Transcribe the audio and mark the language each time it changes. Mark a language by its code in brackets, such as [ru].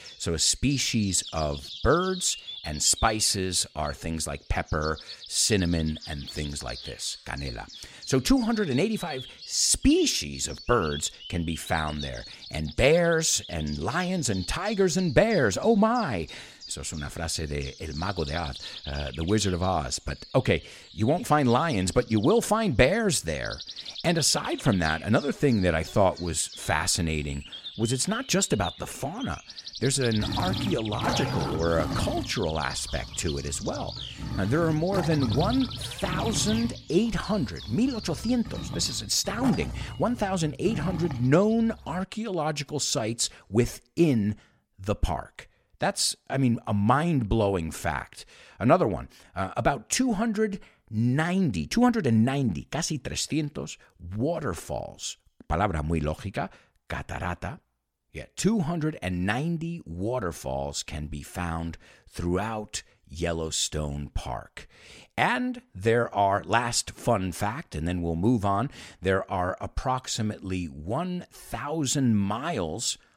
[en] So a species of birds, and spices are things like pepper, cinnamon, and things like this, canela. So 285 species of birds can be found there. And bears and lions and tigers and bears. Oh my. [es] Eso es una frase de El Mago de Oz, The Wizard of Oz. [en] But okay, you won't find lions, but you will find bears there. And aside from that, another thing that I thought was fascinating was it's not just about the fauna. There's an archaeological or a cultural aspect to it as well. Now, there are more than 1,800, this is astounding, 1,800 known archaeological sites within the park. That's, I mean, a mind-blowing fact. Another one, about 290 waterfalls. [es] Palabra muy lógica, catarata. [en] Yeah, 290 waterfalls can be found throughout Yellowstone Park. And there are, last fun fact, and then we'll move on, there are approximately 1,000 miles